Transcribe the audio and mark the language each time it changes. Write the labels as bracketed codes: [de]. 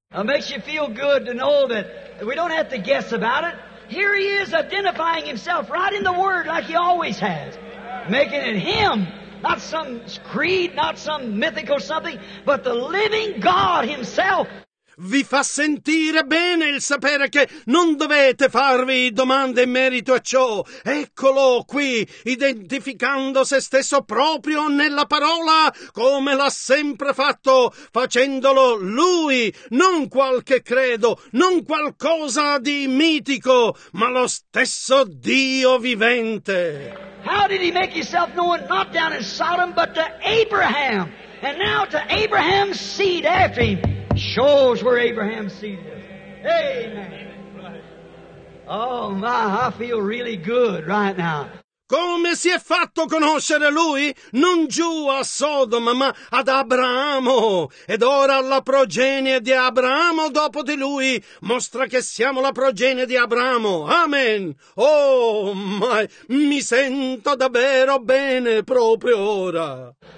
[en] It makes you feel good to know that we don't have to guess about it. Here He is identifying Himself right in the Word like He always has, making it Him, not some creed, not some mythical something, but the living God Himself. [it] Vi fa sentire bene il sapere che non dovete farvi domande in merito a ciò. Eccolo qui, identificando se stesso proprio nella parola, come l'ha sempre fatto, facendolo Lui, non qualche credo, non qualcosa di mitico, ma lo stesso Dio vivente. [en] How did He make Himself known not down in Sodom, but to Abraham, and now to Abraham's seed after Him? Shows where Abraham's seed is. Amen. Oh my, I feel really good right now. [it] Come si è fatto conoscere Lui? Non giù a Sodoma, ma ad Abramo. Ed ora la progenie di Abramo dopo di Lui mostra che siamo la progenie di Abramo. Amen. Oh, ma mi sento davvero bene proprio ora.